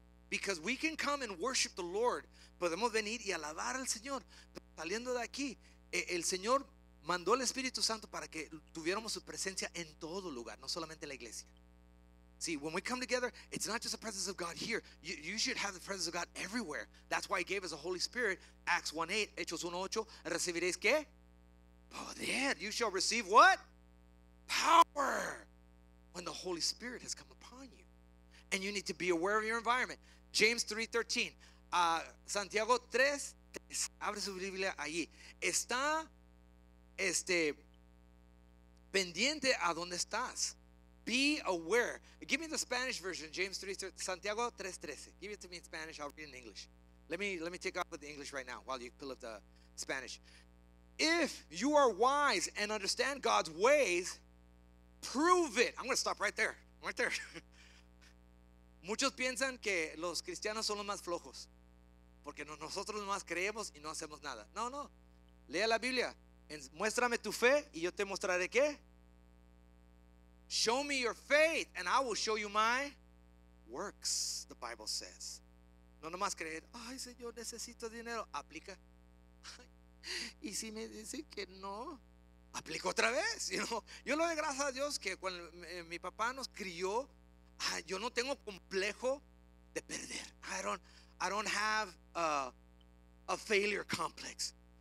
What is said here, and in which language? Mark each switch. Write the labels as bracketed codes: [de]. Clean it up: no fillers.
[en] Because we can come and worship the Lord. [es] Podemos venir y alabar al Señor. Pero saliendo de aquí, el Señor mandó el Espíritu Santo para que tuviéramos su presencia en todo lugar, no solamente en la iglesia. [en] See, when we come together, it's not just the presence of God here. You should have the presence of God everywhere. That's why he gave us the Holy Spirit. Acts 1:8, [es] Hechos 1:8, ¿recibiréis qué? Poder. [en] You shall receive what? Power. When the Holy Spirit has come upon you. And you need to be aware of your environment. [es] James 3:13. Santiago 3. Abre su Biblia allí. Está pendiente a donde estás. [en] Be aware. Give me the Spanish version. Santiago 3:13. Give it to me in Spanish. I'll read it in English. Let me take off with the English right now while you pull up the Spanish. If you are wise and understand God's ways, prove it. I'm going to stop right there. [es] Muchos piensan que los cristianos son los más flojos, porque nosotros nomás creemos y no hacemos nada. No. Lea la Biblia. Muéstrame tu fe y yo te mostraré qué. [en] Show me your faith and I will show you my works, the Bible says. [es] No nomás creer. Ay, Señor, necesito dinero. Aplica. Y si me dicen que no, aplico otra vez. [en] You know? [es] Yo lo doy gracias a Dios que cuando mi papá nos crió, yo no tengo complejo de perder. [en] I don't have a failure complex.